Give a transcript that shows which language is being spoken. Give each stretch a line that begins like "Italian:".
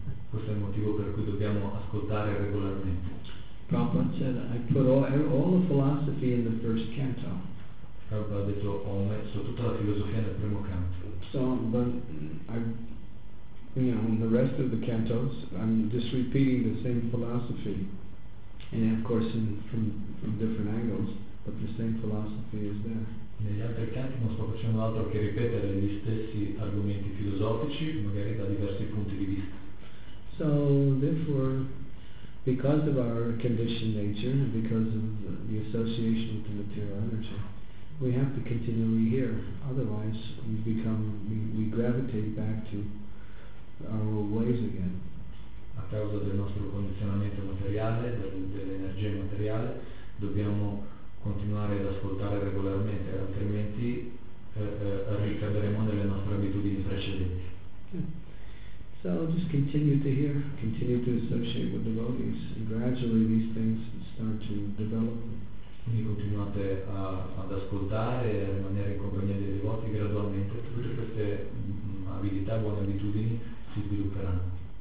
Italian: Questo è il motivo per cui dobbiamo ascoltare regolarmente.
English: Prabhupada said I put all the philosophy in the first canto.
Italian: Ha detto ho messo tutta la filosofia nel primo canto.
English: So, but in the rest of the cantos, I'm just repeating the same philosophy, and of course from different angles, but the same philosophy is there.
Italian: Negli altri canti non sto facendo altro che ripetere gli stessi argomenti filosofici, magari da diversi punti di vista.
English: So, therefore, because of our conditioned nature and because of the association with the material energy, we have to continually hear, otherwise we gravitate back to our old ways again.
Italian: A causa del nostro condizionamento materiale, dell'energia materiale, dobbiamo continuare ad ascoltare regolarmente, altrimenti ricaderemo nelle nostre abitudini precedenti.
English: So just continue to hear, continue to associate with devotees, and gradually these things start to develop.
Italian: Quindi continuate ad ascoltare e a rimanere in compagnia dei devoti gradualmente, tutte queste abilità, buone abitudini si svilupperanno.